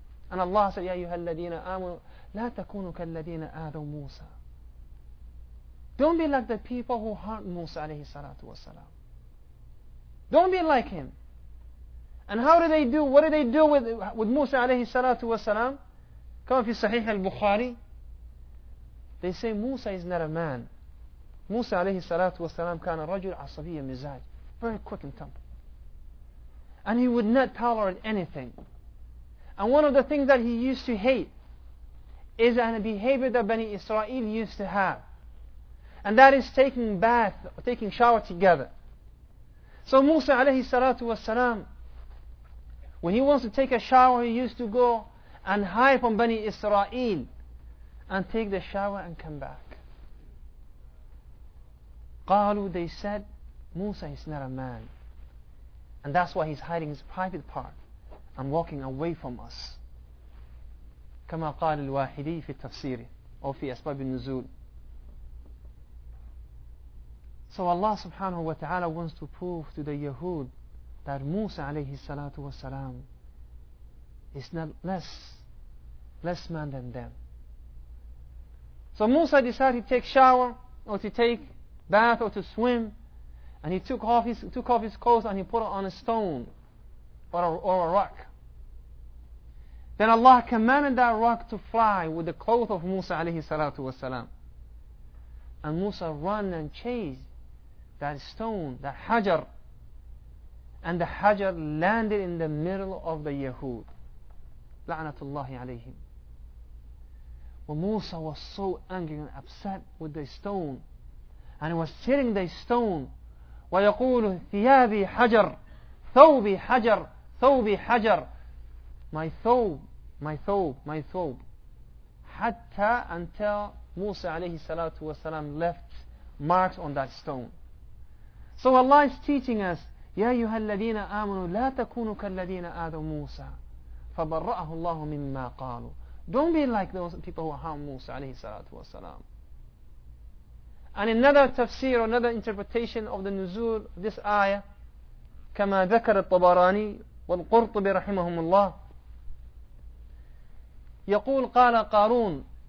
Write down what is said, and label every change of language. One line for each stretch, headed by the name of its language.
English: And Allah said,
Arabic: يَا أَيُّهَا الَّذِينَ آمَنُوا لَا تَكُونُوا كَالَّذِينَ آذَوْا مُوسَى.
English: Don't be like the people who harmed Musa
Arabic: عليه الصلاة والسلام.
English: Don't be like him. And how did they do? What did they do with Musa
Arabic: عليه الصلاة والسلام?
English: Come
Arabic: في صحيح البخاري.
English: They say Musa is not a man.
Arabic: Musa عليه الصلاة والسلام كان رجل عصبي مزاج.
English: Very quick in temper. And he would not tolerate anything. And one of the things that he used to hate is a behavior that Bani Israel used to have. And that is taking bath, taking shower together. So Musa alayhi salatu wasalam, when he wants to take a shower, he used to go and hide from Bani Israel and take the shower and come back. Qalu, they said, Musa is not a man. And that's why he's hiding his private part and walking away from us.
Arabic: كما قال الواحدي في التفسير أو في أسباب النزول.
English: So Allah subhanahu wa ta'ala wants to prove to the Yahud that Musa alayhi salatu wa salam is not less man than them. So Musa decided to take shower or to take bath or to swim, and he took off his clothes and he put it on a stone or a rock. Then Allah commanded that rock to fly with the cloth of Musa alayhi salatu wasalam. And Musa ran and chased that stone, that hajar. And the hajar landed in the middle of the Yahud.
Arabic: La'natullahi alayhim.
English: Well, Musa was so angry and upset with the stone. And he was hitting the stone.
Arabic: وَيَقُولُ ثِيَابِي حَجَرْ ثَوْبِي حَجَرْ ثَوْبِي حَجَرْ
English: My thawb. My thawb. Hatta, until Musa alayhi salatu wasalam left marks on that stone. So Allah is teaching us,
Arabic: يَا أَيُّهَا الَّذِينَ آمَنُوا لَا تَكُونُوا كَالَّذِينَ آذَوْا مُوسَى فَبَرَّأَهُ اللَّهُ مِمَّا قَالُوا.
English: Don't be like those people who harm Musa alayhi salatu wasalam. And another tafsir, another interpretation of the nuzul, this ayah,
Arabic: كما ذكر الطبراني والقرطبي رحمهم الله, يقول قال قارون.